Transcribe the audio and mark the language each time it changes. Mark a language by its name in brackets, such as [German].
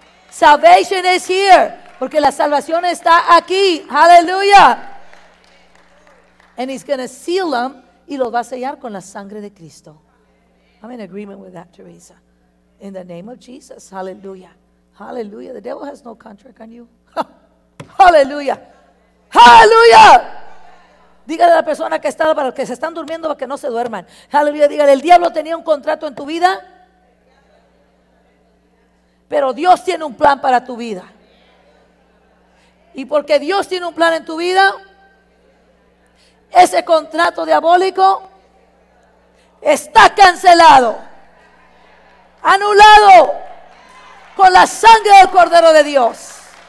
[English] Salvation is here, [Spanish] porque la salvación está aquí, hallelujah. [English] And he's going to seal them. [Spanish] Y los va a sellar con la sangre de Cristo. [English] I'm in agreement with that, Teresa. In the name of Jesus, hallelujah. Hallelujah. The devil has no contract on you. Hallelujah. Hallelujah. [Spanish] Dígale a la persona que está, para los que se están durmiendo, para que no se duerman. Hallelujah. Dígale, el diablo tenía un contrato en tu vida. Pero Dios tiene un plan para tu vida. Y porque Dios tiene un plan en tu vida, ese contrato diabólico está cancelado, anulado con la sangre del Cordero de Dios.